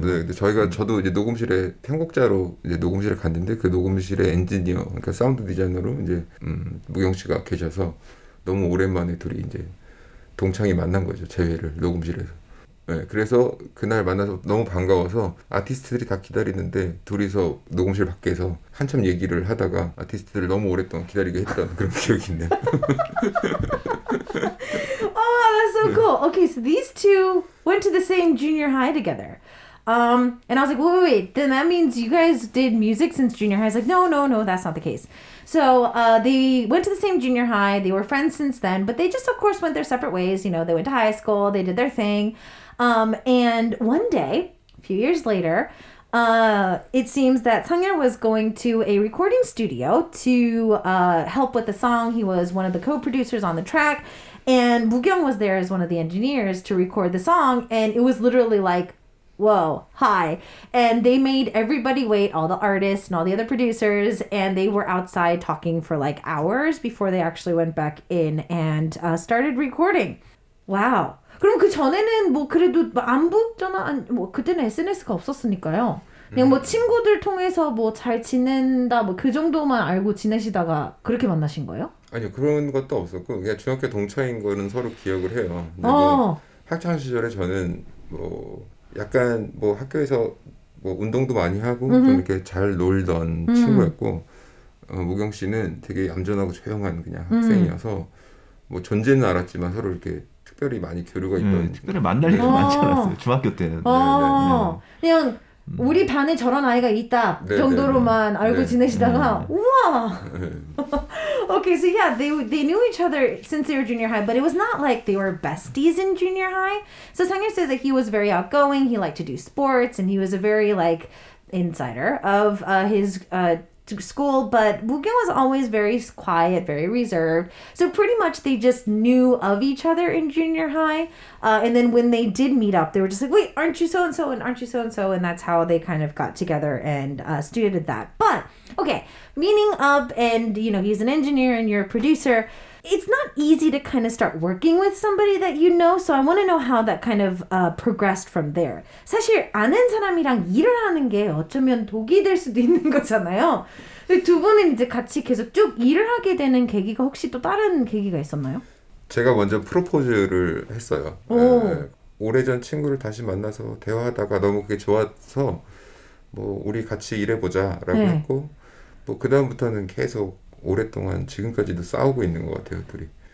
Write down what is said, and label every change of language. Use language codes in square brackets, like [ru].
[ko] 네, 근데 저희가 저도 이제 녹음실에 편곡자로 이제 녹음실에 갔는데 그 녹음실에 엔지니어, 그러니까 사운드 디자이너로 이제 무경 씨가 계셔서 너무 오랜만에 둘이 이제 동창이 만난 거죠, 재회를 녹음실에서. 네, 그래서 그날 만나서 너무 반가워서 아티스트들이 다 기다리는데 둘이서 녹음실 밖에서 한참 얘기를 하다가 아티스트들을 너무 오랫동안 기다리게 했던 그런 기억이 있네요. [en] Oh, that's so cool. Okay, so these two went to the same junior high together. And I was like, wait, wait, wait, then that means you guys did music since junior high. I was like, no, that's not the case. So they went to the same junior high. They were friends since then, but they just, of course, went their separate ways. You know, they went to high school, they did their thing. And one day, a few years later, it seems that Sangyeol was going to a recording studio to help with the song. He was one of the co-producers on the track, and Mugyeong was there as one of the engineers to record the song, and it was literally like, whoa, hi. And they made everybody wait, all the artists and all the other producers, and they were outside talking for like hours before they actually went back in and started recording. Wow. [ko] 그럼 그 전에는 뭐 그래도 안부 전화 안, 뭐 그때는 SNS가 없었으니까요. 그냥 뭐 친구들 통해서 뭐 잘 지낸다 뭐 그 정도만 알고 지내시다가 그렇게 만나신 거예요? 아니요, 그런 것도 없었고 그냥 중학교 동창인 거는 서로 기억을 해요. 학창 시절에 저는 뭐 약간 뭐 학교에서 뭐 운동도 많이 하고 좀 이렇게 잘 놀던 친구였고 무경 씨는 되게 얌전하고 조용한 그냥 학생이어서 뭐 존재는 알았지만 서로 이렇게 특별히 많이 교류가 있던 특별히 만날 일이 많지 않았어요. 중학교 때는 그냥 우리 반에 저런 아이가 있다 정도로만 알고 지내시다가 우와. [en] Okay, so yeah, they knew each other since they were junior high, but it was not like they were besties in junior high. So Sangyeol says that he was very outgoing, he liked to do sports, and he was a very like insider of his school, but Mugyeong was always very quiet, very reserved. So pretty much they just knew of each other in junior high. And then when they did meet up, they were just like, wait, aren't you so-and-so and aren't you so-and-so? And that's how they kind of got together and studied that. But, okay, meeting up and, you know, he's an engineer and you're a producer. It's not easy to kind of start working with somebody that you know. So I want to know how that kind of progressed from there. [ko] 사실 아는 사람이랑 일을 하는 게 어쩌면 독이 될 수도 있는 거잖아요. 두 분은 이제 같이 계속 쭉 일을 하게 되는 계기가 혹시 또 다른 계기가 있었나요? 제가 먼저 프로포즈를 했어요. 오래전 친구를 다시 만나서 대화하다가 너무 그게 좋아서 뭐 우리 같이 일해보자 라고 했고 뭐 그 다음부터는 계속 오랫동안 지금까지도 싸우고 있는 것 같아요, 둘이.